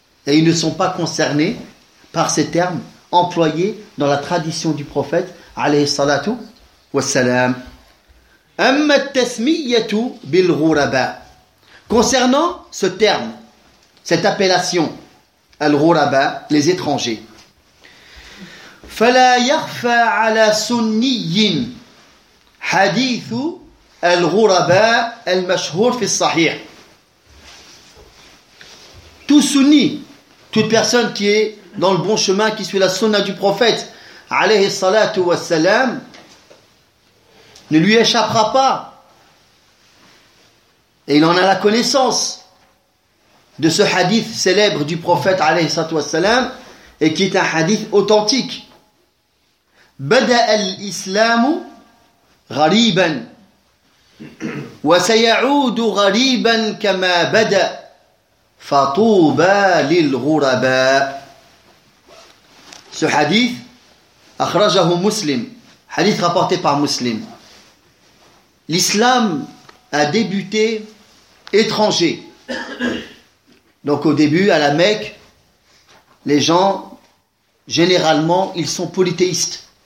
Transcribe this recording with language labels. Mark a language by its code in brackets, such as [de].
[fr] Et ils ne sont pas concernés par ces termes employés dans la tradition du prophète alayhi salatu wassalam. [ar] Amma at-tasmiyatu bil ghuraba. [fr] Concernant ce terme, cette appellation, al-ghuraba, les étrangers. [ar] فلا يخفى على سني حديث الغرباء المشهور في الصحيح. [fr] Tout sunni, toute personne qui est dans le bon chemin, qui suit la sunna du prophète alayhi salatu wa salam, ne lui échappera pas. Et il en a la connaissance de ce hadith célèbre du prophète alayhi salatu wa salam et qui est un hadith authentique. [ar] بدأ الإسلام غريبا وسيعود غريبا كما بدأ فطوبى للغرباء. [fr] Ce hadith [ar] أخرجه مسلم. [fr] Hadith rapporté par Muslim. L'islam a débuté étranger. Donc au début à la Mecque, les gens généralement ils sont polythéistes.